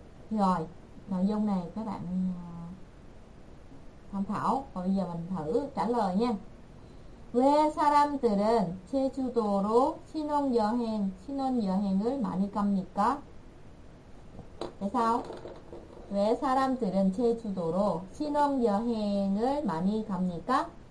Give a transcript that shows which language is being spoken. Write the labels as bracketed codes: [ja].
[vi] Rồi nội dung này các bạn tham khảo, và bây giờ mình thử trả lời nha. [ko] 왜 사람들은 제주도로 신혼여행을 많이 갑니까? [vi] Tại sao? Vì sao người ta đến Jeju-do로 [ko] 신혼여행을 많이 갑니까?